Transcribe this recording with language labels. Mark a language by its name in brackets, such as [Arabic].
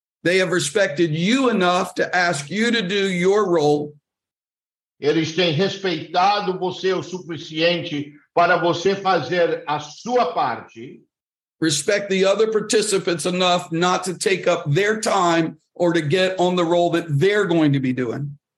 [English] They have respected you enough to ask you to do your role. [Portuguese] Eles têm respeitado você o suficiente para você fazer a sua parte. [English] Respect the other participants enough not to take up their time or to get on the role that they're going to be doing.